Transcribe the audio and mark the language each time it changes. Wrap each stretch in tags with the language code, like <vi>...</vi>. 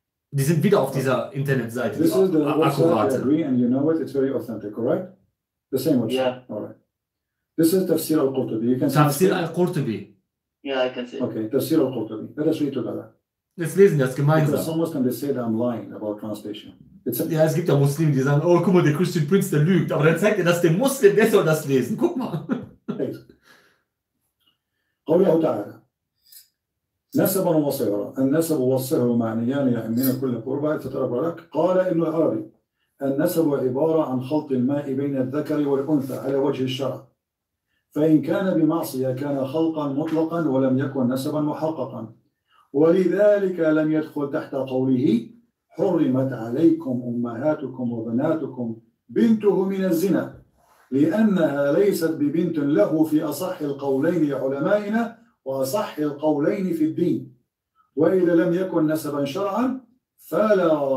<de>Die sind wieder auf dieser Internetseite.</de> <en>This is the website, I agree, and you know it, it's very authentic, correct? The same one. Yeah. All right. This is Tafsir al-Qurtubi. You can see Tafsir al-Qurtubi. Yeah, I can see. Okay, Tafsir al-Qurtubi. Let us read together.</en> <de>Jetzt lesen wir das gemeinsam.</de> <en>Because some Muslims, they say that I'm lying about translation.</en> <de>Ja, es gibt ja Muslime, die sagen, oh, guck mal, der Christian Prince, der lügt. Aber dann zeigt er das dem Muslim, der soll das lesen. Guck mal.</de> <ar>قول الله تعالى نسب وصغر النسب وصغر معنيان يعنيان كل قربة تترك لك قال ابن العربي النسب عبارة عن خلط الماء بين الذكر والأنثى على وجه الشرع فإن كان بمعصية كان خلقا مطلقا ولم يكن نسبا محققا ولذلك لم يدخل تحت قوله حرمت عليكم أمهاتكم وبناتكم بنته من الزنا لأنها ليست ببنت له في أصح القولين لعلمائنا وأصح القولين في الدين وإذا لم يكن نسبا شرعا فلا</ar>